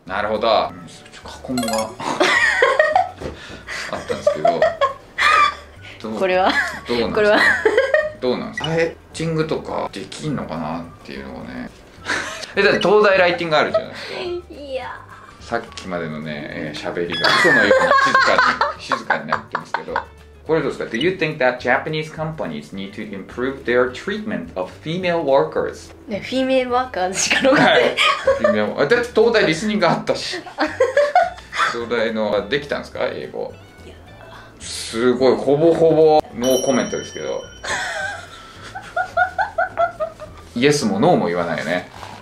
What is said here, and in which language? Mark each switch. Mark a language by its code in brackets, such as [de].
[ja] なるほど、うん、ちょっと過去もあったんですけ ど, どこれはどうなんこれはどうなんですか。ライティングとかできんのかなっていうのがねえ、だって東大ライティングあるじゃないですか。いやさっきまでのね、喋りが嘘のように静かになってますけど、これどうですか。 [en] Do you think that Japanese companies need to improve their treatment of female workers? [ja] ね、フィメールワーカーズしかのかって、はい、だって東大リスニングあったし東大のできたんですか英語。いやすごい、ほぼほぼノーコメントですけどイエスもノーも言わないよね。